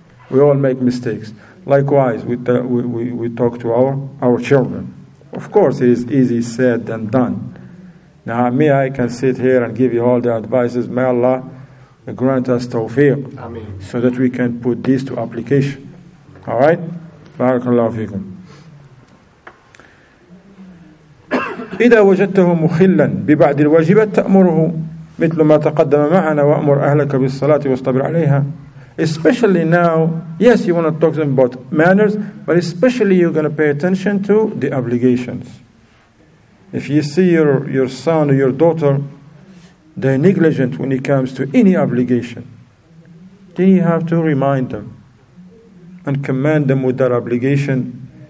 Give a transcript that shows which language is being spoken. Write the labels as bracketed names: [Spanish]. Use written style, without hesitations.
[English] We all make mistakes. Likewise, we talk to our children. Of course, it is easier said than done. Now, me, I can sit here and give you all the advices. May Allah grant us tawfiq. Ameen. So that we can put this to application. All right? [Arabic] Barakallahu feekum. إذا وجدته مخلا ببعض الواجبات تأمره مثل ما تقدم معنا وأمر أهلك بالصلاة واصطبر عليها. [English] Especially now, yes, you want to talk to them about manners, but especially you're going to pay attention to the obligations. If you see your son or your daughter, they're negligent when it comes to any obligation, then you have to remind them and command them with that obligation.